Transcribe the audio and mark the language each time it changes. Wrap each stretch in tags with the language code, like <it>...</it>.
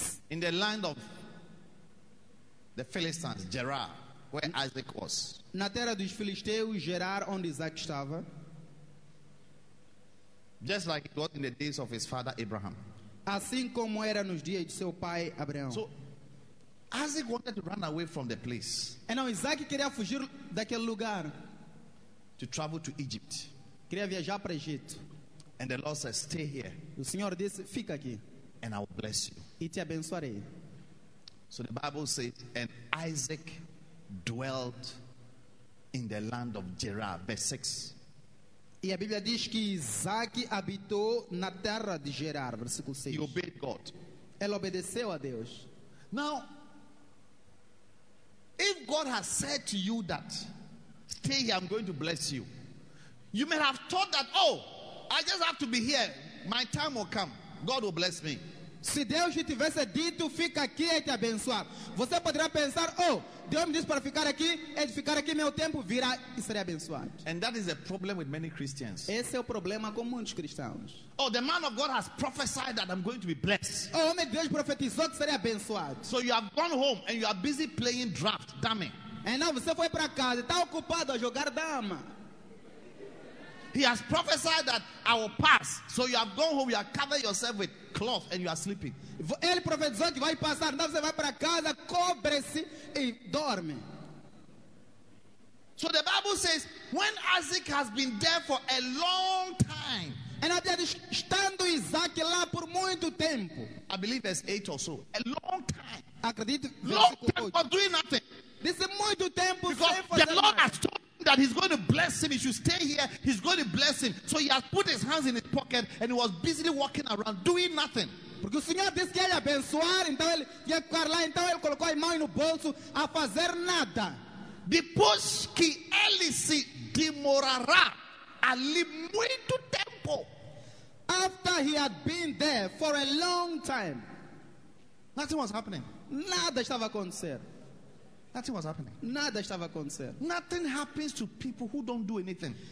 <en>In the land of the Philistines, Gerar, where Isaac was.</en> <pt>Na terra dos Filisteus, Gerar, onde Isaac estava.</pt> <en>Just like it was in the days of his father Abraham.</en> <pt>Assim como era nos dias de seu pai Abraão.</pt> <en>So Isaac wanted to run away from the place. And now</en> <pt>Isaac queria fugir daquele lugar.</pt> <en>To travel to Egypt.</en> <pt>Queria viajar para Egito.</pt> <en>And the Lord says, stay here.</en> <pt>O Senhor disse, fica aqui.</pt> <en>And I will bless you.</en> <pt>E te abençoarei.</pt> <en>So the Bible says, and Isaac dwelt in the land of Gerar. Verse 6.</en> <pt>E a Bíblia diz que Isaac habitou na terra de Gerar. Versículo 6.</pt> <en>He obeyed God.</en> <pt>Ele obedeceu a Deus.</pt> <en>Now, If God has said to you that, stay here, I'm going to bless you, you may have thought that, oh, I just have to be here. My time will come. God will bless me.</en> <pt>Se Deus te tivesse dito, fica aqui e te abençoar. Você poderá pensar, oh, Deus me disse para ficar aqui, edificar aqui, meu tempo virá e serei abençoado.</pt> <en>And that is a problem with many Christians.</en> <pt>Esse é o problema com muitos cristãos.</pt> <en>Oh, the man of God has prophesied that I'm going to be blessed.</en> <pt>Oh, homem de Deus profetizou que serei abençoado.</pt> <en>So you have gone home and you are busy playing draft, dame.</en> <pt>E não, você foi para casa e está ocupado a jogar dama.</pt> <en>He has prophesied that I will pass. So you have gone home, you have covered yourself with cloth and you are sleeping.</en> <pt>Ele profetizou que vai passar, então você vai para casa, cobre-se e dorme.</pt> <en>So the Bible says, when Isaac has been there for a long time.</en> <pt>And a Bíblia diz, estando Isaac lá por muito tempo.</pt> <en>I believe there's 8 or so. A long time.</en> <pt>Acredito,</pt> <en>long time for doing nothing. This is</en> <pt>muito tempo sem fazer.</pt> <en>Because the Lord has told that he's going to bless him. He should stay here. He's going to bless him. So he has put his hands in his pocket and he was busily walking around doing nothing.</en> <pt>Porque o Senhor disse que ele ia abençoar, então ele ia ficar lá, então ele colocou a mão no bolso a fazer nada. Depois que ele se demorará ali muito tempo.</pt> <en>After he had been there for a long time. Nothing was happening.</en> <pt>Nada estava acontecendo.</pt> <en>Nothing was happening.</en> <pt>Nada estava acontecendo.</pt> <en>Nothing happens to people who don't do anything.</en>